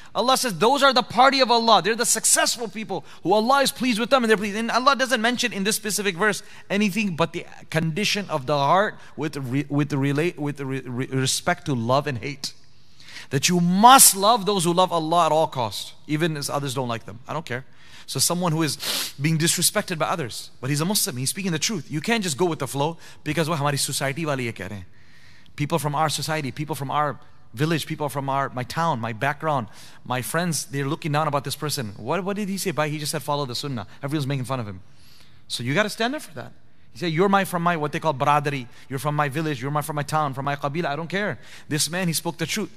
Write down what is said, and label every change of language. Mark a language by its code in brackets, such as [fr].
[en] Allah says, those are the party of Allah. They're the successful people who Allah is pleased with them. And they're pleased. And Allah doesn't mention in this specific verse anything but the condition of the heart with respect to love and hate. That you must love those who love Allah at all costs, even as others don't like them. I don't care. So someone who is being disrespected by others, but he's a Muslim, he's speaking the truth. You can't just go with the flow because [ur] وہ ہماری society والی یہ کہہ رہے ہیں. [en] People from our society, people from our village, people from my town, my background, my friends, they're looking down about this person. What did he say? He just said follow the sunnah. Everyone's making fun of him. So you got to stand up for that. He said, you're from my what they call bradari. You're from my village. You're from my town, from my qabila. I don't care. This man, he spoke the truth.